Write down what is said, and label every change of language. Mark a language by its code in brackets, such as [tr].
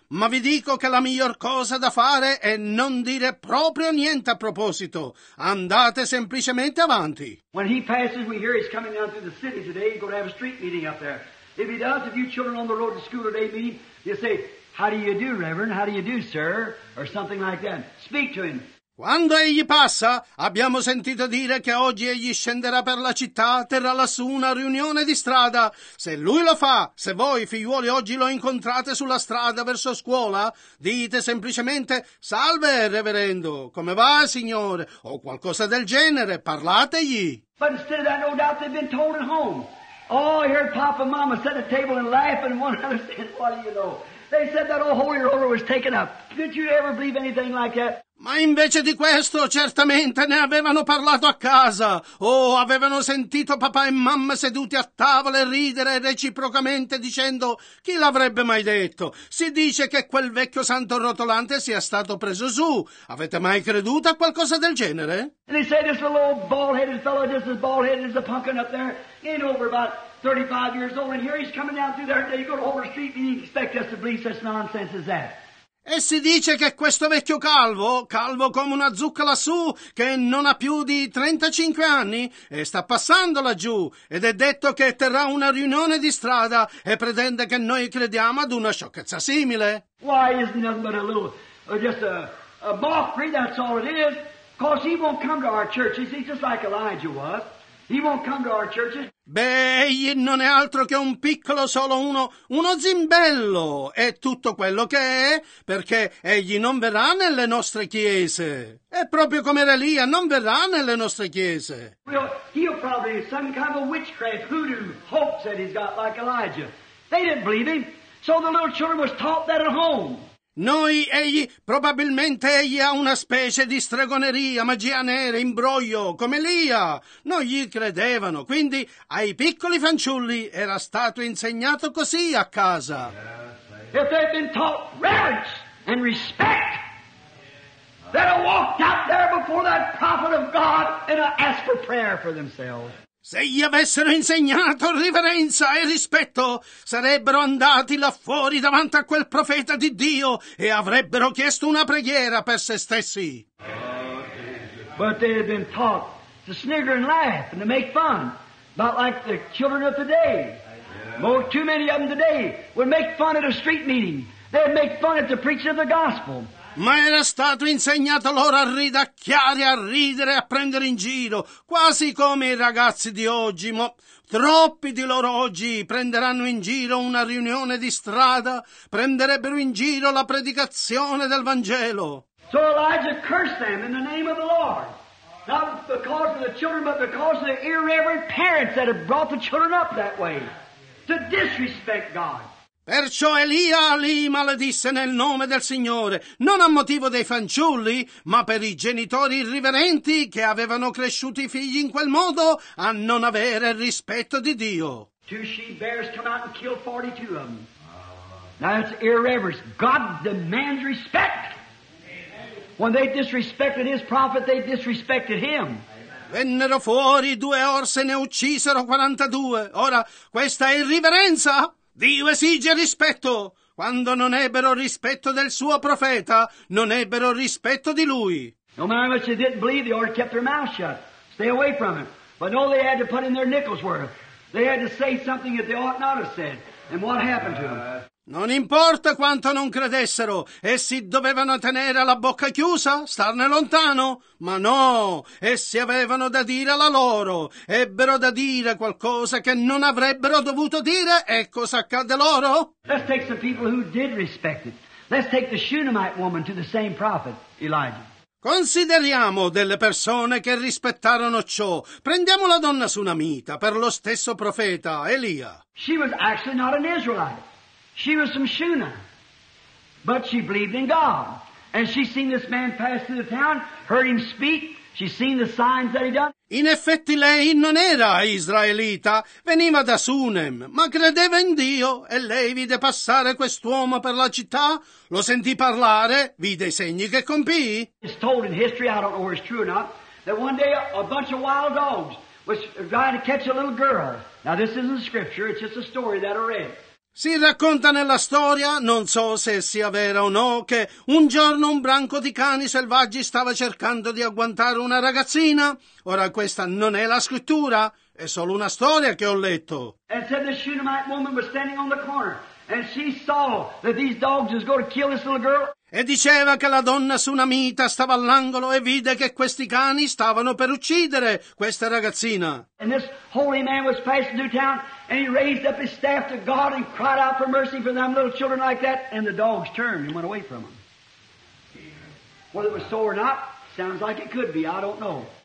[it] Ma vi dico che la miglior cosa da fare è non dire proprio niente a proposito. Andate semplicemente avanti. [en] When he passes, we hear he's coming down through the city today. He's going to have a street meeting up there. If he does, if you children on the road to school today meet, you say, how do you do, Reverend? How do you do, sir? Or something like that. Speak to him. [it] Quando egli passa, abbiamo sentito dire che oggi egli scenderà per la città, terrà lassù una riunione di strada. Se lui lo fa, se voi, figliuoli, oggi lo incontrate sulla strada verso scuola, dite semplicemente, salve, reverendo, come va, signore? O qualcosa del genere, parlategli. [en] But instead of that, no doubt they've been told at home. Oh, I heard Papa and Mama set a table and laugh and one another said, what do you know? They said that old holy roller was taken up. Did you ever believe anything like that? [it] Ma invece di questo, certamente ne avevano parlato a casa. Oh, avevano sentito papà e mamma seduti a tavola e ridere reciprocamente dicendo, chi l'avrebbe mai detto? Si dice che quel vecchio santo rotolante sia stato preso su. Avete mai creduto a qualcosa del genere? [en] And they say this little old bald-headed fellow, just as bald-headed as a pumpkin up there, ain't over about 35 years old, and here he's coming down through there, and you go to over the street and you expect us to believe such nonsense as that. [it] E si dice che questo vecchio calvo, calvo come una zucca lassù, che non ha più di 35 anni, e sta passando laggiù, ed è detto che terrà una riunione di strada e pretende che noi crediamo ad una sciocchezza simile. [en] Why isn't nothing but a little, just a mockery, that's all it is. Because he won't come to our churches, he's just like Elijah was. He won't come to our churches. [it] Beh, egli non è altro che un piccolo, solo uno zimbello, è tutto quello che è, perché egli non verrà nelle nostre chiese. È proprio come era Elia, non verrà nelle nostre chiese. [en] Well, he'll probably have some kind of witchcraft, hoodoo, hopes that he's got like Elijah. They didn't believe him, so the little children was taught that at home. [it] Noi, egli, probabilmente egli ha una specie di stregoneria, magia nera, imbroglio, come Elia. Non gli credevano, quindi ai piccoli fanciulli era stato insegnato così a casa. [en] If they've been taught reverence and respect, they'd have walked out there before that prophet of God and asked for prayer for themselves. [it] Se gli avessero insegnato riverenza e rispetto, sarebbero andati là fuori davanti a quel profeta di Dio e avrebbero chiesto una preghiera per se stessi. [en] But they had been taught to snigger and laugh and to make fun, not like the children of today. More, too many of them today would make fun at a street meeting. They'd make fun at the preaching of the gospel. [it] Ma era stato insegnato loro a ridacchiare, a ridere, a prendere in giro, quasi come i ragazzi di oggi, ma troppi di loro oggi prenderanno in giro una riunione di strada, prenderebbero in giro la predicazione del Vangelo. [en] So Elijah cursed them in the name of the Lord, not because of the children, but because of the irreverent parents that have brought the children up that way, to disrespect God. [it] Perciò Elia li maledisse nel nome del Signore, non a motivo dei fanciulli, ma per i genitori irriverenti che avevano cresciuto i figli in quel modo a non avere rispetto di Dio. [en] Two she-bears come out and kill 42 of them. Now that's irreverence. God demands respect. When they disrespected his prophet, they disrespected him. [it] Vennero fuori due orse e ne uccisero 42. Ora, questa è irriverenza? Dio esige rispetto. Quando non ebbero rispetto del suo profeta, non ebbero rispetto di lui. [en] No matter how much they didn't believe, they already kept their mouth shut. Stay away from him. But no, they had to put in their nickels worth. They had to say something that they ought not have said. And what happened to them? [it] Non importa quanto non credessero, essi dovevano tenere la bocca chiusa, starne lontano, ma no, essi avevano da dire la loro, ebbero da dire qualcosa che non avrebbero dovuto dire, e cosa accadde loro? [en] Let's take some people who did respect it. Let's take the Shunammite woman to the same prophet, Elijah. [it] Consideriamo delle persone che rispettarono ciò. Prendiamo la donna Sunamita per lo stesso profeta, Elia. [en] She was actually not an Israelite. She was from Shunem, but she believed in God. And she seen this man pass through the town, heard him speak, she seen the signs that he done. [it] In effetti lei non era israelita, veniva da Sunem, ma credeva in Dio, e lei vide passare quest'uomo per la città, lo sentì parlare, vide i segni che compì. [en] It's told in history, I don't know if it's true or not, that one day a bunch of wild dogs was trying to catch a little girl. Now this isn't scripture, it's just a story that I read. [it] Si racconta nella storia, non so se sia vera o no, che un giorno un branco di cani selvaggi stava cercando di agguantare una ragazzina. Ora questa non è la scrittura, è solo una storia che ho letto. [en] And said the Shunammite woman was standing on the corner and she saw that these dogs was going to kill this little girl. [it] E diceva che la donna Sunamita stava all'angolo e vide che questi cani stavano per uccidere questa ragazzina. [en] And this holy man was passing through town and he raised up his staff to God and cried out for mercy for them little children like that, and the dogs turned and went away from him. Whether it was so or not, sounds like it could be, I don't know.